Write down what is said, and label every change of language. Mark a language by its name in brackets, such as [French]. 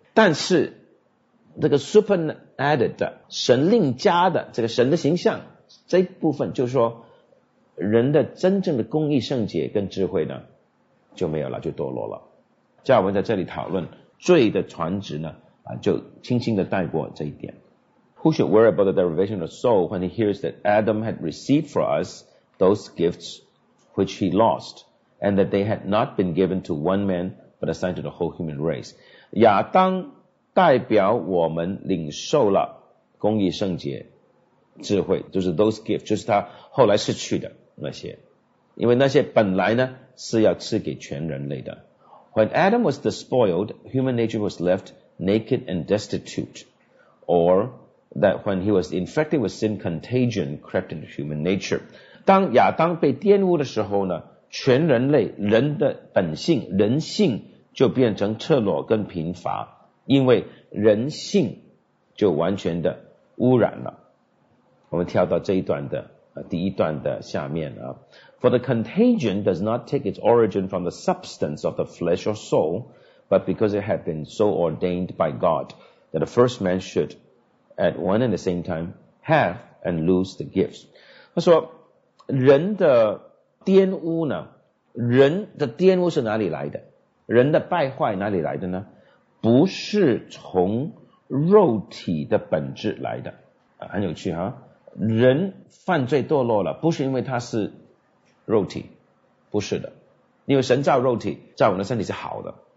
[Chinese] 但是这个 [English] super added [Chinese] 的神另加的这个神的形象这一部分，就是说人的真正的公义圣洁跟智慧呢就没有了，就堕落了。加尔文在这里讨论罪的传植呢啊，就轻轻的带过这一点。 [English] Who should worry about the derivation of soul when he hears that Adam had received for us those gifts which he lost, and that they had not been given to one man, but assigned to the whole human race? [Chinese] 亚当代表我们领受了公义、圣洁、智慧，就是 [English] those gifts, [Chinese] 就是他后来失去的那些，因为那些本来呢是要赐给全人类的， [English] When Adam was despoiled, human nature was left naked and destitute, or that when he was infected with sin, contagion crept into human nature. [Chinese] 当亚当被玷污的时候呢，全人类人的本性人性就变成赤裸跟贫乏，因为人性就完全的污染了。我们跳到这一段的第一段的下面啊。 [English] For the contagion does not take its origin from the substance of the flesh or soul, but because it had been so ordained by God that the first man should at one and the same time have and lose the gifts. [Chinese] 他说人的玷污呢，人的玷污是哪里来的？人的败坏哪里来的呢？不是从肉体的本质来的、啊、很有趣哈。人犯罪堕落了，不是因为他是肉体，不是的，因为神造肉体在我们的身体是好的。